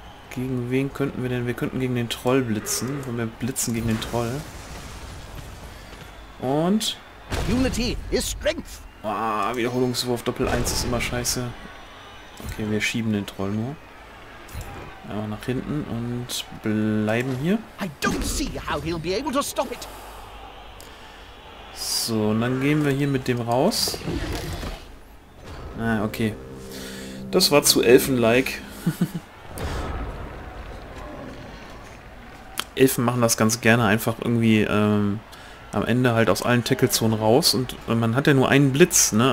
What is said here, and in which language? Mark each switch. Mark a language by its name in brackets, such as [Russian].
[German] Gegen wen könnten wir denn? Wir könnten gegen den Troll blitzen. Wenn wir blitzen gegen den Troll. Und [English] Unity is strength. [German] Ah, Wiederholungswurf Doppel-1 ist immer scheiße. Okay, wir schieben den Troll nur. Ja, nach hinten und bleiben hier. [English] I don't see how he'll be able to stop it. [German] So, und dann gehen wir hier mit dem raus. Ah, okay. Das war zu Elfen-like. Elfen machen das ganz gerne einfach irgendwie am Ende halt aus allen Tackle-Zonen raus und man hat ja nur einen Blitz, ne?